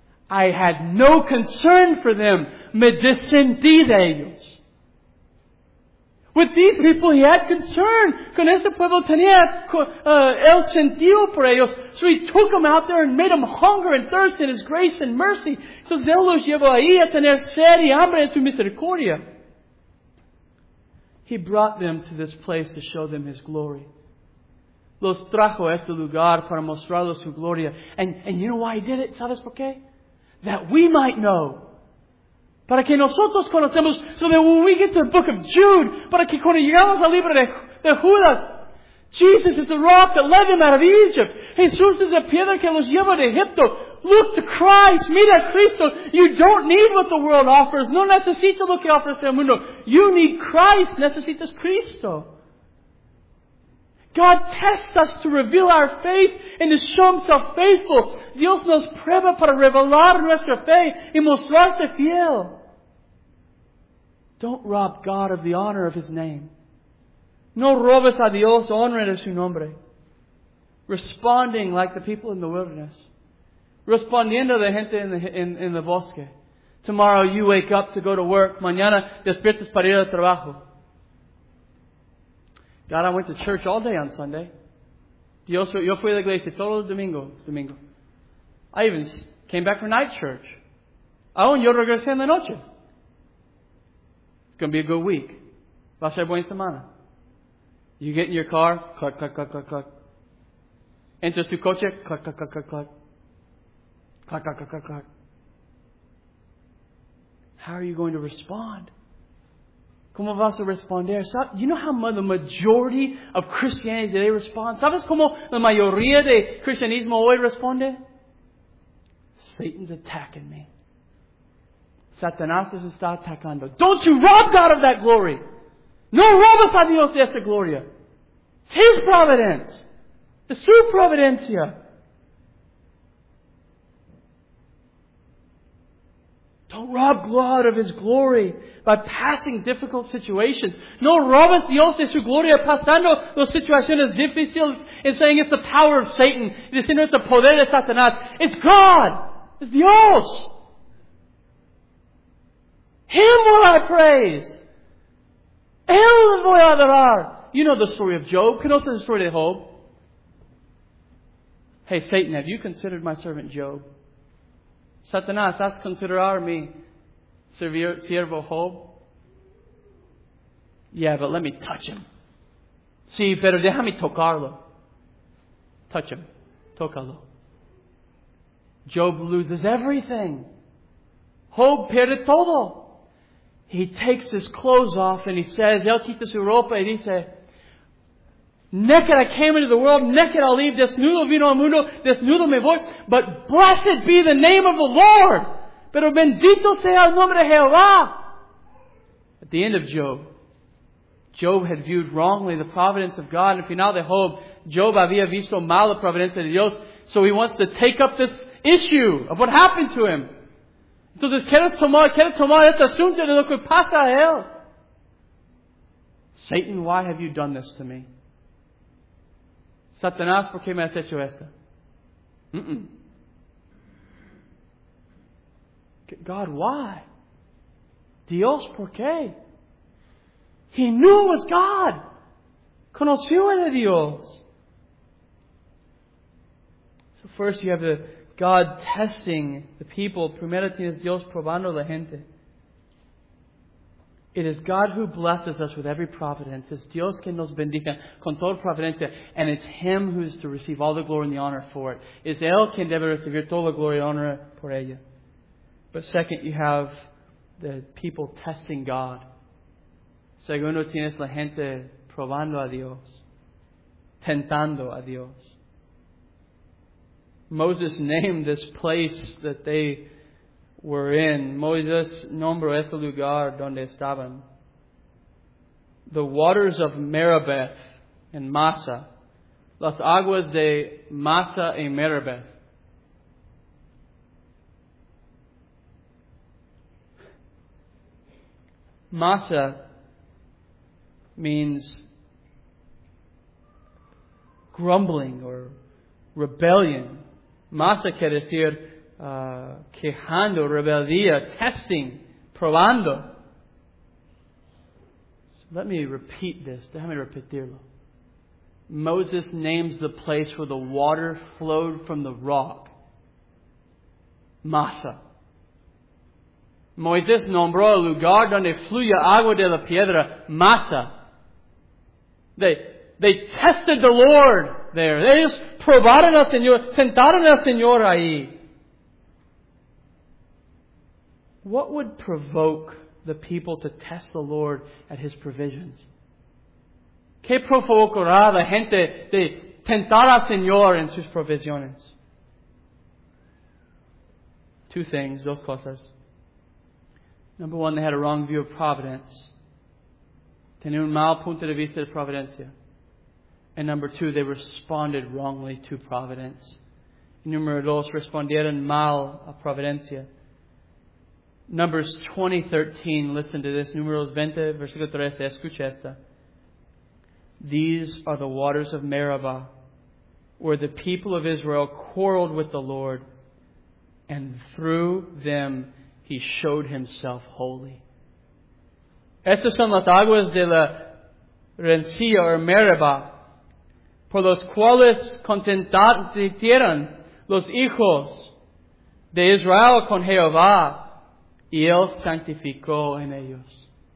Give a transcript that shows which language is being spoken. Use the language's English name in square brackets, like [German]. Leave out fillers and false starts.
[English] I had no concern for them. [Spanish] Me descendí de ellos. [English] With these people, he had concern. [Spanish] Con este pueblo tenía el sentido por ellos. [English] So he took them out there and made them hunger and thirst in his grace and mercy. [Spanish] Entonces él los llevó ahí a tener sed y hambre en su misericordia. [English] He brought them to this place to show them his glory. [Spanish] Los trajo a este lugar para mostrarles su gloria. [English] And you know why he did it? [Spanish] ¿Sabes por qué? [English] That we might know. [Spanish] Para que nosotros conocemos, [English] so that when we get to the book of Jude, [Spanish] para que cuando llegamos al libro de Judas, [English] Jesus is the rock that led them out of Egypt. [Spanish] Jesús es la piedra que los lleva de Egipto. [English] Look to Christ. [Spanish] Mira a Cristo. [English] You don't need what the world offers. [Spanish] No necesito lo que ofrece el mundo. [English] You need Christ. [Spanish] Necesitas Cristo. [English] God tests us to reveal our faith and to show Himself faithful. [Spanish] Dios nos prueba para revelar nuestra fe y mostrarse fiel. [English] Don't rob God of the honor of His name. [Spanish] No robes a Dios honra de su nombre. [English] Responding like the people in the wilderness. [Spanish] Respondiendo de gente en el bosque. [English] Tomorrow you wake up to go to work. [Spanish] Mañana despiertas para ir al trabajo. [English] God, I went to church all day on Sunday. [Spanish] Dios, yo fui a la iglesia todo el domingo. [English] I even came back for night church. [Spanish] Aún yo regresé en la noche. [English] It's going to be a good week. [Spanish] Va a ser buena semana. [English] You get in your car, cluck, cluck, cluck, cluck, cluck. [Spanish] Entras tu coche, cluck, cluck, cluck, cluck, cluck. Cluck, cluck, cluck, cluck, cluck. [English] How are you going to respond? [Spanish] ¿Cómo vas a responder? [English] You know how the majority of Christianity today responds? [Spanish] ¿Sabes cómo la mayoría de cristianismo hoy responde? [English] Satan's attacking me. [Spanish] Satanás está atacando. [English] Don't you rob God of that glory. [Spanish] No robes a Dios de esa gloria. [English] It's His providence. It's su providencia. Don't rob God of His glory by passing difficult situations. [Spanish] No robes Dios de su gloria pasando las situaciones difíciles [English] and saying it's the power of Satan. [Spanish] Diciendo it's the poder de Satanás. [English] It's God. [Spanish] It's Dios. [English] Him will I praise. [Spanish] Él voy a adorar. [English] You know the story of Job. [Spanish] ¿Conoces la historia de Job? [English] Hey, Satan, have you considered my servant Job? [Spanish] Satanás, ¿has considerado a mí siervo Job? [English] Yeah, but let me touch him. [Spanish] Sí, pero déjame tocarlo. [English] Touch him. [Spanish] Tócalo. [English] Job loses everything. [Spanish] Job pierde todo. [English] He takes his clothes off and he says, [Spanish] él quita su ropa y dice, [English] naked I came into the world, naked I'll leave, [Spanish] desnudo vino al mundo, desnudo me voy, [English] but blessed be the name of the Lord. [Spanish] Pero bendito sea el nombre de Jehová. [English] At the end of Job, Job had viewed wrongly the providence of God. [Spanish] And final de Job, Job había visto mal la providencia de Dios. [English] So he wants to take up this issue of what happened to him. [Spanish] Entonces, ¿quieres tomar este asunto de lo que pasa a él? [English] Satan, why have you done this to me? [Spanish] Satanás, ¿por qué me has hecho esto? [English] God, why? [Spanish] Dios, ¿por qué? [English] He knew it was God. [Spanish] Conoció a Dios. [English] So first you have the God testing the people. [Spanish] Primero tienes Dios probando la gente. [English] It is God who blesses us with every providence. It's [Spanish] Dios quien nos bendiga con toda providencia. [English] And it's Him who is to receive all the glory and the honor for it. [Spanish] Es Él quien debe recibir toda la gloria y honor por ella. [English] But second, you have the people testing God. [Spanish] Segundo, tienes la gente probando a Dios. Tentando a Dios. [English] Moses named this place that they were in. [Spanish] Moses nombró ese lugar donde estaban. [English] The waters of Meribah and Massa. [Spanish] Las aguas de Massa y Meribah. [English] Massa means grumbling or rebellion. [Spanish] Massa quiere decir quejando, rebeldía, testing, probando. [English] So let me repeat this. [Spanish] Déjame repetirlo. [English] Moses names the place where the water flowed from the rock. Massa. [Spanish] Moisés nombró el lugar donde fluye agua de la piedra, Massa. [English] They tested the Lord there. They just [Spanish] probaron al Señor, tentaron al Señor ahí. [English] What would provoke the people to test the Lord at His provisions? [Spanish] ¿Qué provocará la gente de tentar al Señor en sus provisiones? [English] Two things, [Spanish] dos cosas. [English] Number one, they had a wrong view of providence. [Spanish] Tenía un mal punto de vista de providencia. [English] And number two, they responded wrongly to providence. [Spanish] Número dos, respondieron mal a providencia. [English] Numbers 20:13, listen to this. [Spanish] Números 20, versículo 13, escucha esta. [English] These are the waters of Meribah, where the people of Israel quarreled with the Lord, and through them He showed Himself holy. [Spanish] Estas son las aguas de la Rencilla or Meribah, por los cuales contendieron los hijos de Israel con Jehová, y Él santificó en ellos.